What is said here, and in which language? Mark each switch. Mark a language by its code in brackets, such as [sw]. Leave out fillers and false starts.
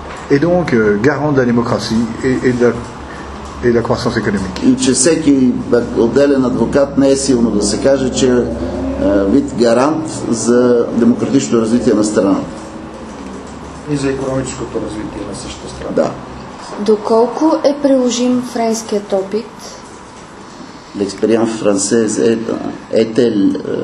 [fr] Et donc garant de la démocratie et de la croissance économique. [bg] И че всеки отделен адвокат не е силно да се каже, че вид гарант за демократичното развитие на страната. И за икономическото развитие на същата страна. Да. Доколко е приложим френският опит? [fr] L'expérience française est-elle